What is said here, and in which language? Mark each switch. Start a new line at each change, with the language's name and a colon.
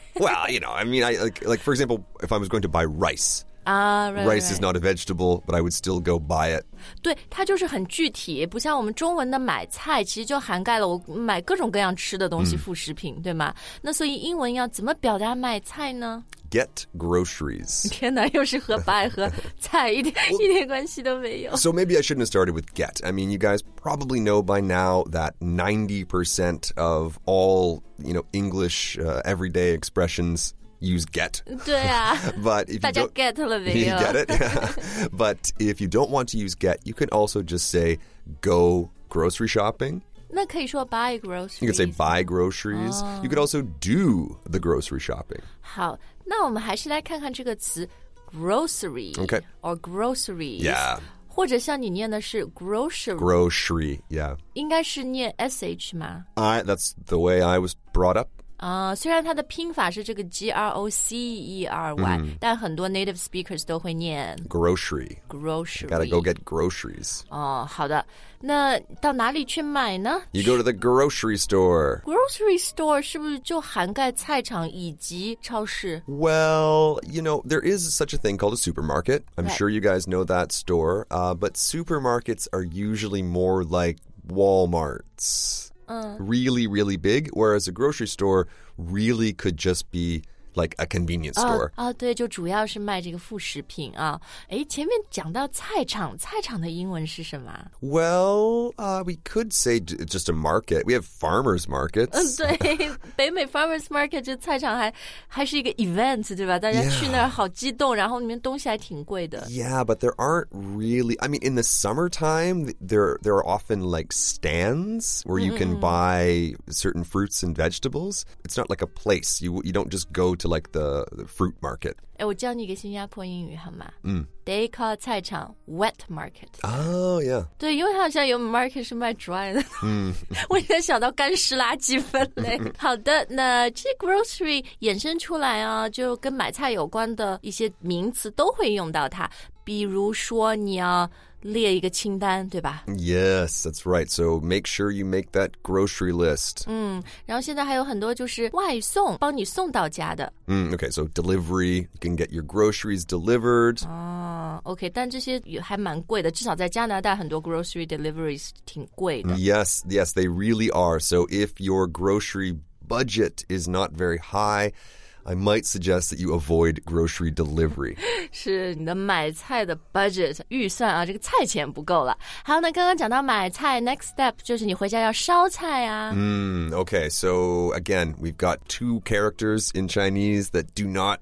English: Well, you know, I mean, I, like, for example, if I was going to buy rice. Rice is not a vegetable, but I would still go buy it.
Chinese: 对，它就是很具体，不像我们中文的买菜，其实就涵盖了我买各种各样吃的东西、副食品，对吗？那所以英文要怎么表达买菜呢？
English: Get groceries.
Chinese: 天哪，又是和白和菜一点关系都没有。
English: So maybe I shouldn't have started with get. I mean, you guys probably know by now that 90% of all, you know, English, everyday expressions use get.
Chinese: 对啊。
English: But if you don't,
Chinese: 大家 get 了没有?
English: You get it? But if you don't want to use get, you can also just say go grocery shopping.
Chinese: 那可以说
English: buy groceries. You could say buy groceries.、Oh. You could also do the grocery shopping.
Chinese: 好，那我们还是来看看这个词 grocery.
English: Okay. Or groceries. Yeah.
Chinese: 或者像你念的是 grocery.
English: Grocery, yeah.
Chinese: 应该是念 sh 吗?
English: That's the way I was brought up.
Chinese: 虽然它的拼法是这个 G-R-O-C-E-R-Y,、mm-hmm. 但很多
English: native speakers
Chinese: 都会念
English: Grocery. Grocery.、 I、gotta go get groceries.
Chinese: 哦，好的。那到哪里去买呢?
English: You go to the grocery store. Grocery store
Chinese: 是不是就涵盖菜场以及超市?
English: Well, you know, there is such a thing called a supermarket. I'm、right. sure you guys know that store. But supermarkets are usually more like Walmarts. Really, really big, whereas a grocery store really could just be like a convenience store.
Chinese: 对，就主要是卖这个副食品啊。诶，前面讲到菜场，菜场的英文是什么？
English: Well, we could say just a market. We have farmers markets.
Chinese: 对，北美
English: farmers market
Chinese: 就菜场还是一个 event, 对吧？大家去那儿好激动，然后里面东西还挺贵的。
English: Yeah, but there aren't really, I mean, in the summertime, there are often like stands where you can buy certain fruits and vegetables. It's not like a place. You don't just go to like the fruit market.
Chinese: 诶，我教你一个新加坡英语好吗？嗯。
English: They call 菜场 wet market. Oh, yeah.
Chinese: 对，因为它好像有 market 是卖 dry 的。嗯。我也想到干湿垃圾分类。好的，那这 grocery 衍生出来啊，就跟买菜有关的一些名词都会用到它。比如说你要列一个清单，对吧？
English: Yes, that's right. So make sure you make that grocery list.
Chinese: 嗯，然后现在还有很多就是外送，帮你送到家的。
English: 嗯 ，OK, so delivery, you can get your groceries delivered.
Chinese: 哦 ，OK, 但这些也还蛮贵的，至少在加拿大很多
English: grocery deliveries
Chinese: 挺贵的。
English: Yes, yes, they really are. So if your grocery budget is not very high,I might suggest that you avoid grocery delivery.
Chinese: 是你的买菜的 budget 预算啊，这个菜钱不够了。好，那刚刚讲到买菜 ，
English: next step
Chinese: 就是你回家要烧菜啊。
English: Okay. So again, we've got two characters in Chinese that do not.